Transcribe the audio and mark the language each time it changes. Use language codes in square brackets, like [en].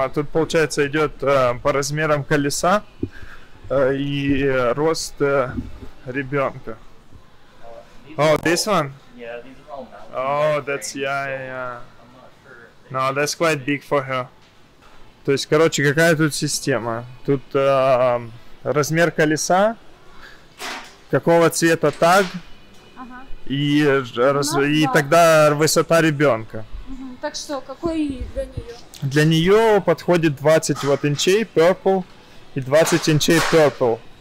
[ru] А тут получается идет по размерам колеса и рост ребенка. [en] Oh, this one? Yeah, these are all mountain. Oh, that's yeah. No, that's quite big for her. [ru] То есть, короче, какая тут система? Тут размер колеса, какого цвета таг, и тогда высота ребенка. Так что, какой для нее? Для нее подходит 20 вот инчей purple и 20 инчей purple.